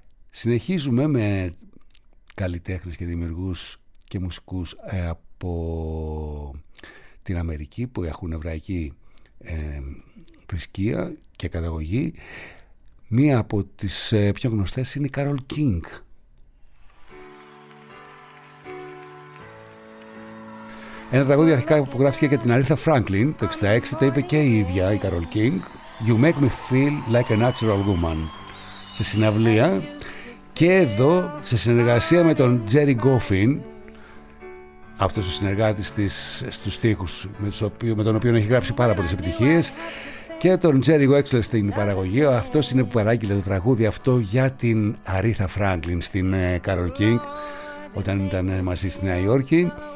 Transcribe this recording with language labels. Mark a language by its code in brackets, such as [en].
[el] Συνεχίζουμε με καλλιτέχνες και δημιουργούς και μουσικούς από την Αμερική που έχουν εβραϊκή θρησκεία και καταγωγή. Μία από τις πιο γνωστές είναι η Κάρολ Κίνγκ. Ένα τραγούδι αρχικά που γράφτηκε για την Αρίθα Φράγκλιν το 66, το είπε και η ίδια η Κάρολ Κίνγκ. [en] You make me feel like a natural woman. [el] Σε συναυλία και εδώ σε συνεργασία με τον Τζέρι Γκόφιν, αυτός ο συνεργάτης της στους στίχους με τον οποίο έχει γράψει πάρα πολλές επιτυχίες, και τον Τζέρι Γουέξλερ στην παραγωγή. Αυτός είναι που παράγγειλε το τραγούδι αυτό για την Αρίθα Φράγκλιν στην Κάρολ Κίνγκ όταν ήταν μαζί στη Νέα Υόρκη.